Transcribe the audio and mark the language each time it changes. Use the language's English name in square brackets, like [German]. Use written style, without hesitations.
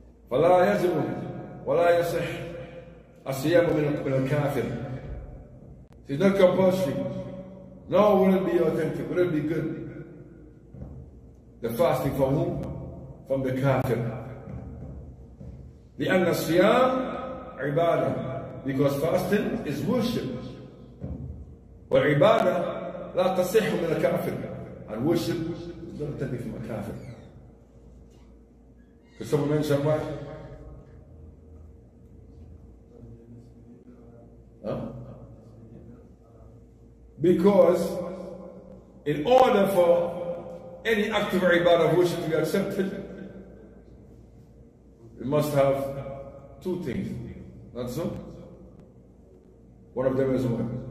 [Arabic] فلا يجب ولا يصح الصيام من الكافر. [English] It's not compulsory. No, wouldn't be authentic, wouldn't be good. The fasting from whom? From the kafir. [Arabic] لأن الصيام عبادة. [English] Because fasting is worship. [Arabic] والعبادة لا تصح من الكافر. [English] And worship is not authentic from a kafir. Did someone mention why? Because in order for any act of ibadah of worship to be accepted, it must have two things. Not so? One of them is what?